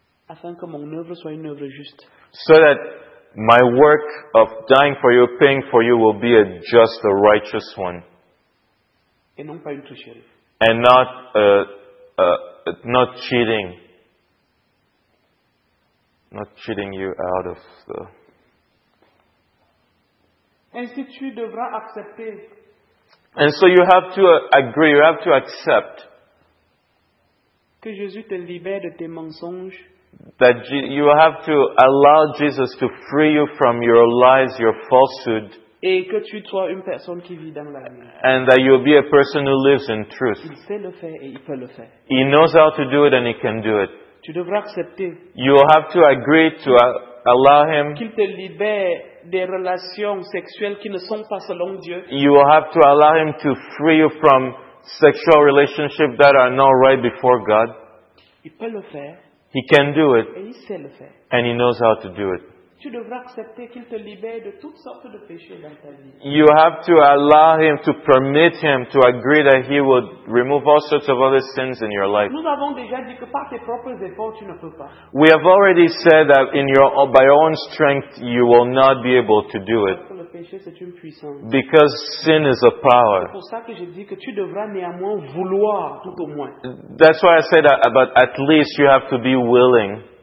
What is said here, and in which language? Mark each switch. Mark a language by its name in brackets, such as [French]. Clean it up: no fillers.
[French] Afin que mon œuvre soit une œuvre juste. [English] So that my work of dying for you, paying for you, will be a just, a righteous one. [French] Et non pas une tricherie. [English] And not not cheating. Not cheating you out of the... [French] Ainsi tu devras accepter. [English] And so you have to agree, you have to accept. [French] Que Jésus te libère de tes mensonges. [English] That you have to allow Jesus to free you from your lies, your falsehood. [French] Et que tu sois une personne qui vit dans la vie. [English] And that you'll be a person who lives in truth. [French] Il sait le faire et il peut le faire. [English] He knows how to do it and he can do it. [French] Tu devras accepter. [English] You have to agree to allow him. [French] Qu'il te libère des relations sexuelles qui ne sont pas selon Dieu. [English] You have to allow him to free you from sexual relationships that are not right before God. [French] Il peut le faire. [English] He can do it. [French] Et il sait le faire. [English] And he knows how to do it. [French] Tu devras accepter qu'il te libère de toutes sortes de péchés dans ta vie. [English] You have to allow him, to permit him, to agree that he would remove all sorts of other sins in your life. [French] Nous avons déjà dit que par tes propres efforts, tu ne peux pas. [English] We have already said that in your, by your own strength, you will not be able to do it. [French] Parce que le péché, c'est une puissance. [English] Because sin is a power. [French] C'est pour ça que je dis que tu devras néanmoins vouloir tout au moins. [English] That's why I said that, but at least you have to be willing.